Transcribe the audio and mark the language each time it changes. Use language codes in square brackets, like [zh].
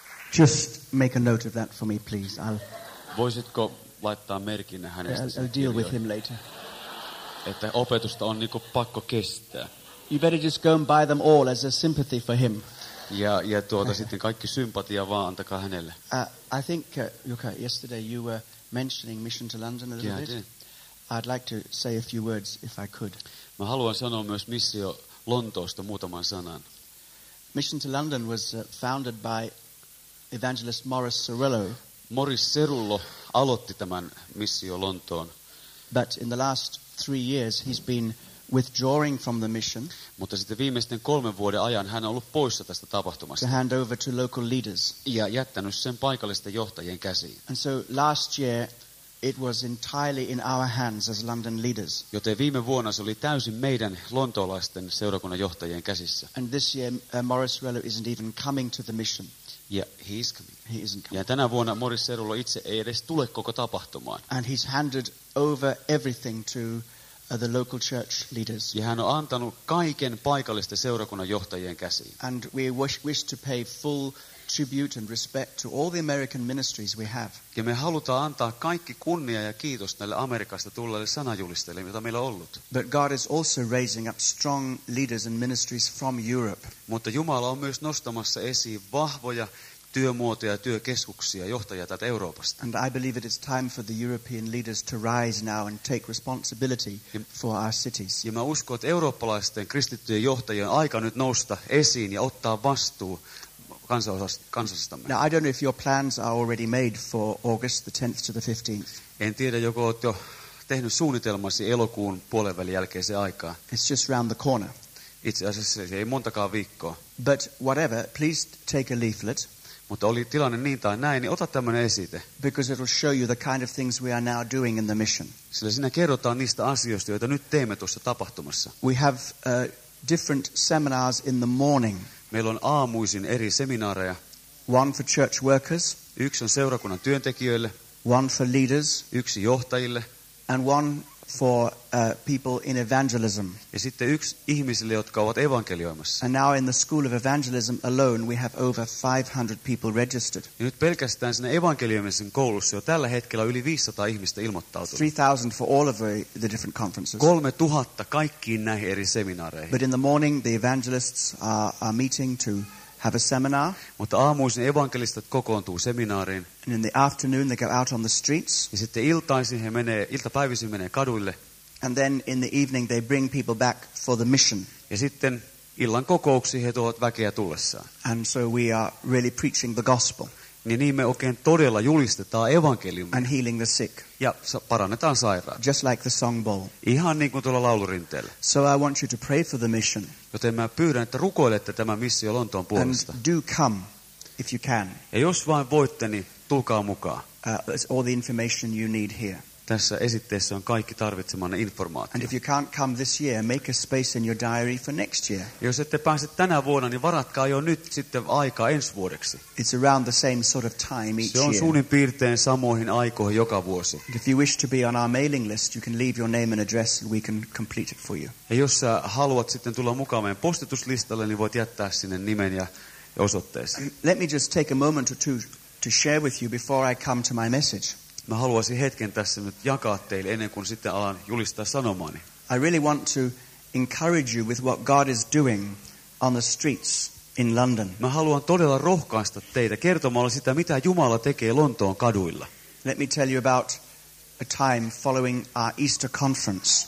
[en] Just make a note of that for me, please. I'll. [fi] Voisitko laittaa merkin hänestä sinne kirjoihin? [en] I'll deal with him later. [fi] Että opetusta on niinku pakko kestää. [en] You better just go and buy them all as a sympathy for him. [fi] Ja tuota sitten kaikki sympatia vaan antakaa hänelle. [en] I think, Jukka, yesterday you were mentioning mission to London a little bit. I'd like to say a few words if I could. [fi] Mä haluan sanoa myös missio Lontoosta muutaman sanan. [en] Mission to London was founded by evangelist Morris Cirillo. [fi] Morris Cirillo aloitti tämän missio Lontoon. [en] But in the last 3 years he's been withdrawing from the mission. [fi] Mutta sitten viimeisten 3 vuoden ajan hän on ollut poissa tästä tapahtumasta. [en] To hand over to local leaders. [fi] Ja jättänyt sen paikallisten johtajien käsiin. [en] And so last year it was entirely in our hands as London leaders. [fi] Joten viime vuonna se oli täysin meidän lontoolaisten seurakunnan johtajien käsissä. [en] And this year Morris Cirillo isn't even coming to the mission. Yeah, he's coming. He isn't coming. [fi] Ja tänä vuonna Morris Cirillo itse ei edes tule koko tapahtumaan. [en] And he's handed over everything to the local church leaders. [fi] Ja hän on antanut kaiken paikallisten seurakunnan johtajien käsiin. [en] And we wish to pay full tribute and respect to all the American ministries we have. [fi] Ja me halutaan antaa kaikki kunnia ja kiitos näille Amerikasta tulleille sanajulisteille, mitä meillä on ollut. [en] But God is also raising up strong leaders and ministries from Europe. [fi] Mutta Jumala on myös nostamassa esiin vahvoja työmuotoja, työkeskuksia, johtajia täältä Euroopasta. [en] And I believe it is time for the European leaders to rise now and take responsibility for our cities. [fi] Ja mä uskon, että eurooppalaisten kristittyjen johtajien aika nyt nousta esiin ja ottaa vastuu kansastamme. [en] Now I don't know if your plans are already made for August the 10th to the 15th. [fi] En tiedä, joko oot jo tehnyt suunnitelmasi elokuun puolenvälin jälkeiseen aikaan. [en] It's just round the corner. [fi] Itse asiassa ei montakaan viikkoa. [en] But whatever, please take a leaflet. [fi] Mutta oli tilanne niin tai näin, niin ota tämmöinen esite. [en] Because it will show you the kind of things we are now doing in the mission. [fi] Sillä siinä kerrotaan niistä asioista, joita nyt teemme tuossa tapahtumassa. [en] We have different seminars in the morning. [fi] Meillä on aamuisin eri seminaareja. [en] One for church workers. [fi] Yksi on seurakunnan työntekijöille. [en] One for leaders. [fi] Yksi johtajille. [en] And one for people in evangelism. [fi] Ja sitten yksi ihmisille, jotka ovat evankelioimassa. [en] And now in the school of evangelism alone we have over 500 people registered. [fi] Ja nyt pelkästään siinä evankelioimisen koulussa jo tällä hetkellä yli 500 ihmistä ilmoittautunut. [en] 3000 for all of the different conferences. [fi] 3000 kaikkiin näihin eri seminaareihin. [en] But in the morning the evangelists are meeting to have a seminar. [fi] Mutta aamuisin evankelistat kokoontuu seminaariin. [en] And in the afternoon they go out on the streets. [fi] Ja sitten iltaisin he menee, iltapäivisin menee kaduille. [en] And then in the evening they bring people back for the mission. [fi] Ja sitten illan kokouksiin he tuovat väkeä tullessaan. [en] And so we are really preaching the gospel. [fi] Niin me oikein todella julistetaan evankeliumia. [en] And healing the sick. [fi] Ja parannetaan sairaat. [en] Just like the song bowl. [fi] Ihan niin kuin tuolla laulurinteellä. [en] So I want you to pray for the mission. [fi] Joten mä pyydän, että rukoilette tämän missio Lontoon puolesta. [en] And do come, if you can. [fi] Ja jos vain voitte, niin tulkaa mukaan. [en] That's all the information you need here. [fi] Tässä esitteessä on kaikki tarvitsemanne informaatio. [en] And if you can't come this year, make a space in your diary for next year. [fi] Jos ette pääse tänä vuonna, niin varatkaa jo nyt sitten aikaa ensi vuodeksi. [en] It's around the same sort of time each year. [fi] Se on suurin piirtein samoihin aikoihin joka vuosi. [en] If you wish to be on our mailing list, you can leave your name and address and we can complete it for you. [fi] Ja jos sä haluat sitten tulla mukaan meidän postituslistalle, niin voit jättää sinne nimen ja osoitteesi. [en] Let me just take a moment or two to share with you before I come to my message. [fi] Mä haluaisin hetken tässä nyt jakaa teille ennen kuin sitten alan julistaa sanomaani. [en] I really want to encourage you with what God is doing on the streets in London. [fi] Mä haluan todella rohkaista teitä kertomalla sitä, mitä Jumala tekee Lontoon kaduilla. [en] Let me tell you about a time following our Easter conference.